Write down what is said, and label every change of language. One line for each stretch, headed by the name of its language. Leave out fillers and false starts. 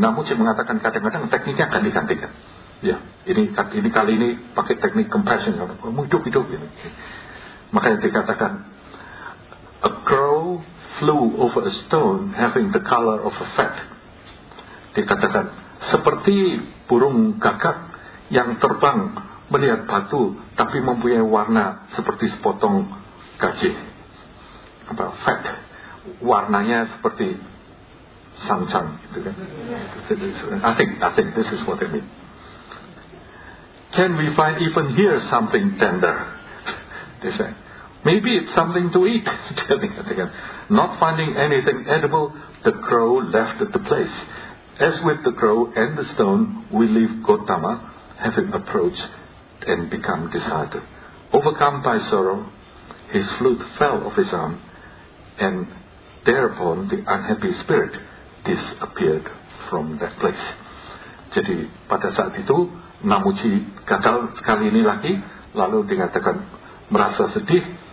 Indonesian: Namuji mengatakan kadang-kadang tekniknya ganti-ganti kan. Ya, ini kali ini pakai teknik compassion, hidup-hidup ini. Makanya dikatakan,
English: a crow flew over a stone having the color of a feather.
Indonesian: Dikatakan seperti burung gagak yang terbang melihat batu tapi mempunyai warna seperti sepotong gaji. Apa feather? Warnanya seperti sang-sang gitu kan.
English: I think this is what I mean. Can we find even here something tender? They say, maybe it's something to eat. Not finding anything edible, the crow left the place. As with the crow and the stone, we leave Gautama, having approached and become disheartened. Overcome by sorrow, his flute fell off his arm, and thereupon the unhappy spirit disappeared from that place.
Indonesian: Jadi pada saat itu, namuji gagal sekali ini lagi, lalu dikatakan merasa sedih.